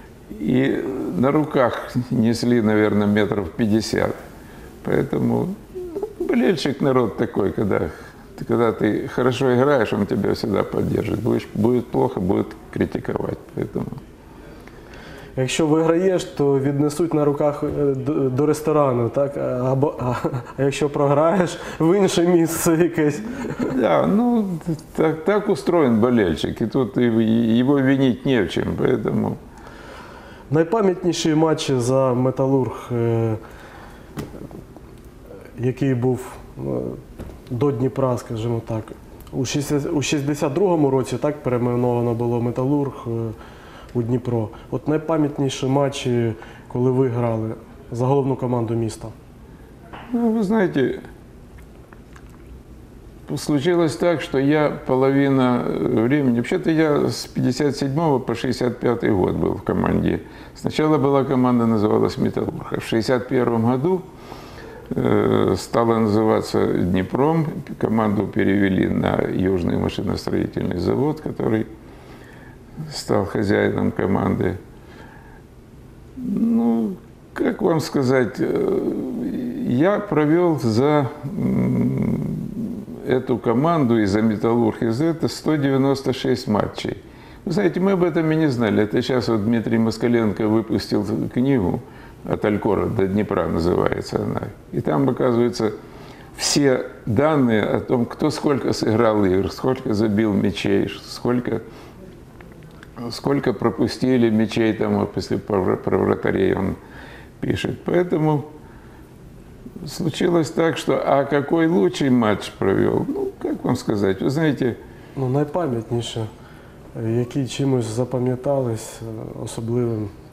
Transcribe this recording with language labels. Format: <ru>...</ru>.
<ru>И на руках несли, наверное, 50 метров. Поэтому болельщик народ такой, когда ты хорошо играешь, он тебя всегда поддержит. Будет плохо, будет критиковать. Поэтому. Если выиграешь,</ru> <uk>то віднесуть на руках до ресторану, так? Або,</uk> <ru>а если програешь,</ru> <uk>в інше місце якесь.</uk> <ru>Да, ну так устроен болельщик. И тут его винить не в чем. Поэтому.</ru> <uk>Найпам'ятніші матчі за «Металлург»? Який був до Дніпра, скажімо так. У 62-му році так перейменовано було «Металлург» у Дніпро. От найпам'ятніші матчі, коли ви грали за головну команду міста? Ну, ви знаєте,</uk> <ru>случилось так,</ru> <uk>що я</uk> <ru>половина времени,</ru> <uk>взагалі-то я з 57-го по 65-й год був в команді. Спочатку була команда, називалась «Металлург»,</uk> <ru>а в 61-му году стала называться</ru> <uk>«Днепром».</uk> <ru>Команду перевели на Южный машиностроительный завод, который стал хозяином команды. Ну, как вам сказать, я провел за эту команду и за «Металлург», и за это 196 матчей. Вы знаете, мы об этом и не знали. Это сейчас вот Дмитрий Москаленко выпустил книгу «От Алькора до Днепра» называется она. И там, оказывается, все данные о том, кто сколько сыграл игр, сколько забил мячей, сколько пропустили мячей, там, после про вратарей он пишет. Поэтому случилось так, что... А какой лучший матч провел? Ну, как вам сказать? Вы знаете...</ru> <uk>Ну, найпам'ятніше, які чимось запам'ятались особливим?</uk>